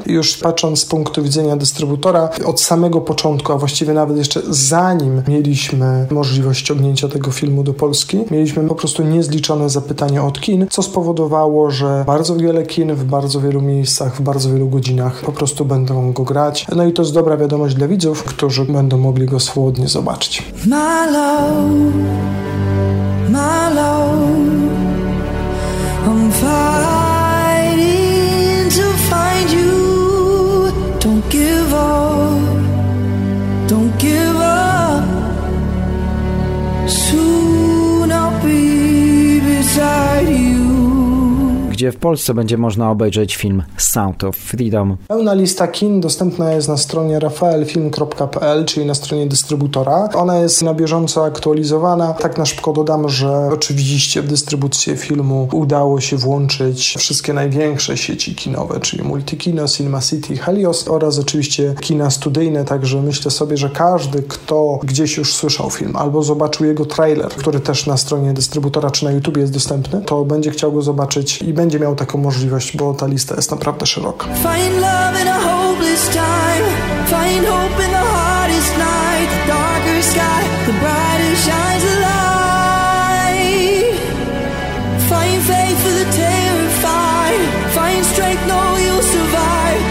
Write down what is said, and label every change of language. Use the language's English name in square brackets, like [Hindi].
[Polish] Już patrząc z punktu widzenia dystrybutora, od samego początku, a właściwie nawet jeszcze zanim mieliśmy możliwość ściągnięcia tego filmu do Polski, mieliśmy po prostu niezliczone zapytania od kin, co spowodowało, że bardzo wiele kin w bardzo wielu miejscach, w bardzo wielu godzinach po prostu będą go grać. No i to jest dobra wiadomość dla widzów, którzy będą mogli go swobodnie zobaczyć. [English] My love, my love, I'm fighting to find you. Don't give up, don't give up. Soon I'll be beside you. [Polish] Gdzie w Polsce będzie można obejrzeć film Sound of Freedom. Pełna lista kin dostępna jest na stronie rafaelfilm.pl, czyli na stronie dystrybutora. Ona jest na bieżąco aktualizowana. Tak na szybko dodam, że oczywiście w dystrybucję filmu udało się włączyć wszystkie największe sieci kinowe, czyli Multikino, Cinema City, Helios oraz oczywiście kina studyjne, także myślę sobie, że każdy, kto gdzieś już słyszał film albo zobaczył jego trailer, który też na stronie dystrybutora czy na YouTubie jest dostępny, to będzie chciał go zobaczyć i będzie miał taką możliwość, bo ta lista jest naprawdę szeroka. [English] Find love in a hopeless time. Find hope in the hardest night. The darker sky, the brighter shines a light. Find faith for the terrified. Find strength, know you'll survive.